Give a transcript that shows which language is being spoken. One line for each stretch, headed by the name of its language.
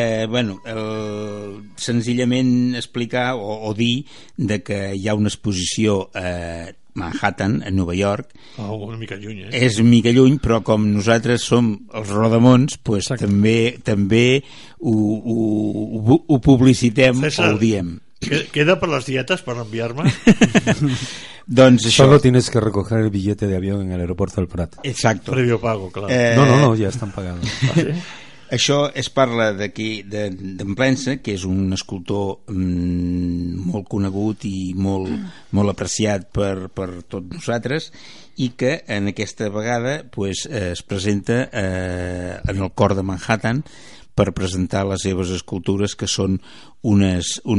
Catalan: Bueno, senzillament explicar o dir de que hi ha una exposició a Manhattan, a Nova York. Oh, una mica lluny, eh? És mica lluny, però com nosaltres som els Rodamons, pues també ho publicitem. César, o ho diem. Queda per les dietes per enviar-me? Doncs això.
Spanish: Solo tienes que recoger el billete de avión en el aeropuerto del Prat. Exacto. Previo pago, claro. No, ya están pagados. ¿Ah, sí?
Catalan: Això es parla d'aquí, d'en Plensa, que és un escultor molt conegut i molt, molt apreciat per tots nosaltres, i que en aquesta vegada pues, es presenta en el cor de Manhattan per presentar les seves escultures, que són unes